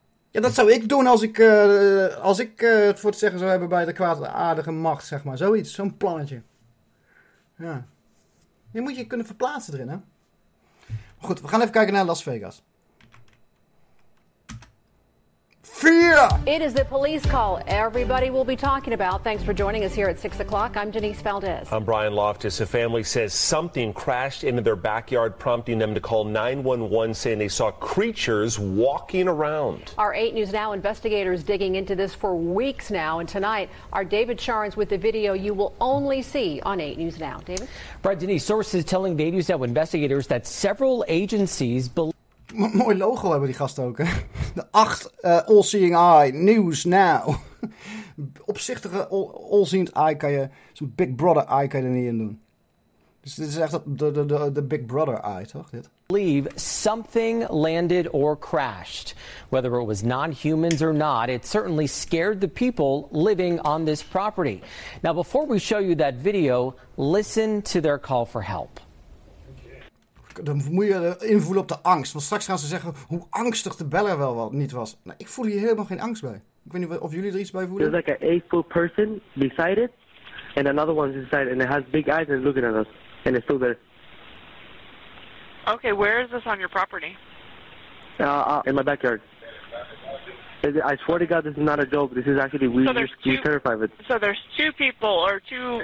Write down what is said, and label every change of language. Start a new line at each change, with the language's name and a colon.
Dutch: Ja, dat zou ik doen als ik het voor het zeggen zou hebben bij de kwaadaardige macht, zeg maar. Zoiets, zo'n plannetje. Ja. Je moet je kunnen verplaatsen erin, hè. Maar goed, we gaan even kijken naar Las Vegas.
English: Fear! It is the police call everybody will be talking about. Thanks for joining us here at 6 o'clock. I'm Denise Valdez. I'm Brian Loftus. A family says something crashed into their backyard, prompting them to call 911, saying they saw creatures walking around. Our 8 News Now investigators digging into this for weeks now. And tonight, our David Charnes with the video you will only see on 8 News Now. David? Brian, Denise, sources telling the 8 News Now investigators that several agencies believe...
Dutch: Mooi logo hebben die gasten ook, hè? De 8 All-Seeing Eye, News Now. Opzichtige All-Seeing Eye kan je... Zo'n Big Brother Eye kan je er niet in doen. Dus dit is echt de Big Brother Eye, toch? Dit.
English: Believe something landed or crashed. Whether it was non-humans or not, it certainly scared the people living on this property. Now, before we show you that video, listen to their call for help.
Dutch: Dan moet je invoelen op de angst. Want straks gaan ze zeggen hoe angstig de beller wel niet was. Nou, ik voel hier helemaal geen angst bij. Ik weet niet of jullie er iets bij voelen.
English: There's like an 8-foot person beside it. And another one's inside. And it has big eyes and looking at us. And it's still there. Okay, where is this on your property? In my backyard. I swear to God, this is not a joke. This is actually weird. You're terrified of it. So there's two people or two...